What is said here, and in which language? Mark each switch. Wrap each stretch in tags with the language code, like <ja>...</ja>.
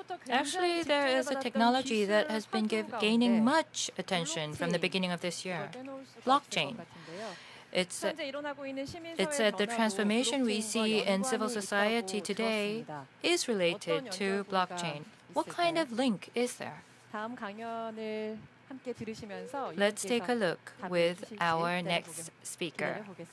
<en>Actually, there is a technology that has been gaining much attention from the beginning of this year, blockchain. It's that the transformation we see in civil society today is related to blockchain. What kind of link is there?</en> <ko>다음 강연을 함께 들으시면서</ko> <en>Let's take a look with our next speaker.</en>